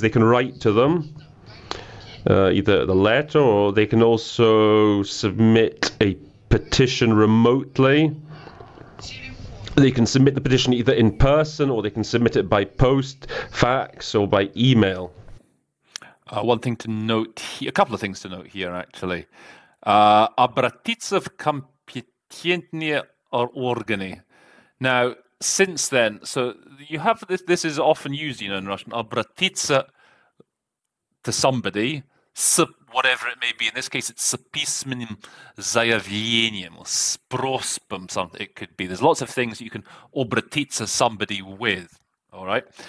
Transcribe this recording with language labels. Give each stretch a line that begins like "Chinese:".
English: They can write to them, either the letter, or they can also submit a petition remotely. They can submit the petition either in person, or they can submit it by post, fax, or by email. One thing to note here, a couple of things to note here, actually.
Russian: Обратиться в компетентные органы.
English: Now, since then, so you have this is often used, in Russian, обратиться to somebody, whatever it may be. In this case, it's
Russian: с письменным заявлением,
English: or
Russian: с просьбом,
English: something it could be. There's lots of things you can обратиться somebody with. All right.